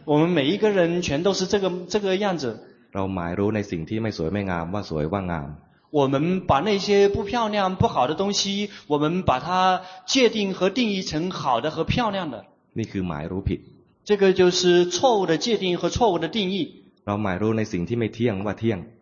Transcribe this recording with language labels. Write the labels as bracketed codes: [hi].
[zh] 我们每一个人全都是这个样子 [th] เราหมายรู้ในสิ่งที่ไม่สวยไม่งามว่าสวยว่างาม [zh] 我们把那些不漂亮不好的东西我们把它界定和定义成好的和漂亮的 [th] นี่คือหมายรู้ผิด [zh] 这个就是错误的界定和错误的定义 [th] เราหมายรู้ในสิ่งที่ไม่เที่ยงว่าเที่ยง